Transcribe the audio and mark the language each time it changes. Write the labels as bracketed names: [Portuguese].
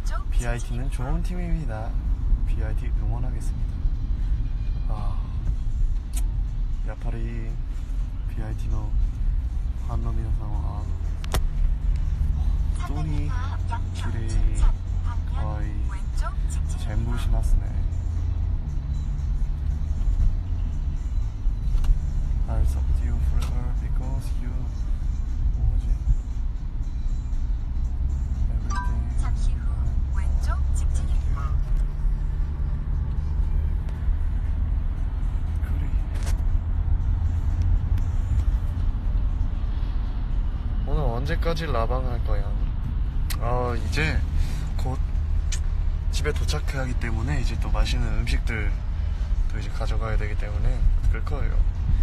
[Korean] BIT는 좋은팀입니다。 BIT 응원하겠습니다。 [Japanese] 아、やっぱり BIT のファンの皆さんは本当に綺麗、可愛い、全部しますね。 [English] I'll support you forever because you [Korean] 뭐지 [English] Everything [Korean] 잠시 후 왼쪽 직진입니다。 그래 오늘 언제까지 라방 할거야？ 아, 이제 곧 집에 도착해야 하기 때문에 이제 또 맛있는 음식들 또 이제 가져가야 되기 때문에 그럴 거예요.